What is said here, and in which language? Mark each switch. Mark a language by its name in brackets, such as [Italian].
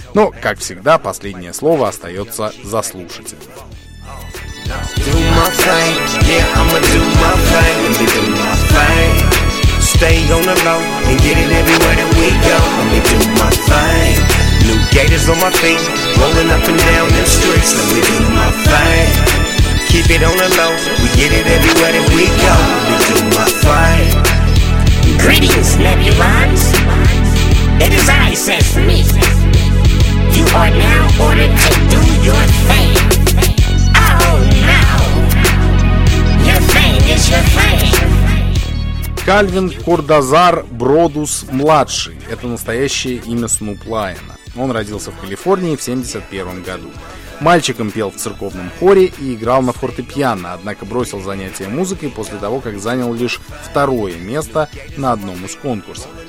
[Russian] Но, как всегда, последнее слово остается за слушателем. [English] Keep it on the low, we get it everywhere that we go. We do my thing. Greetings, Nebulons. It is I, says me. You are now ordered to do your thing. Oh no, your thing is your thing. [Russian] Кальвин Кордазар Бродус младший. Это настоящее имя Снуп Лайона. Он родился в Калифорнии в 71 году. Мальчиком пел в церковном хоре и играл на фортепиано, однако бросил занятия музыкой после того, как занял лишь второе место на одном из конкурсов.